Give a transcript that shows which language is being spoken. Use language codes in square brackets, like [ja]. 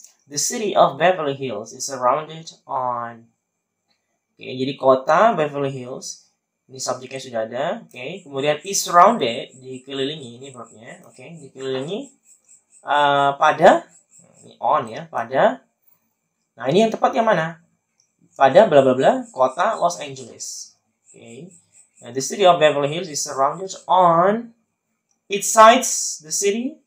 [en] The city of Beverly Hills is surrounded on. [id] Oke, okay, jadi kota Beverly Hills ini subjeknya sudah ada, oke. Okay. Kemudian [en] is surrounded, [id] dikelilingi ini verb-nya, oke, okay. Dikelilingi pada ini on ya, pada. Nah, ini yang tepat yang mana? Pada bla bla bla kota Los Angeles. Oke. Okay. [en] The city of Beverly Hills is surrounded on its sides the city.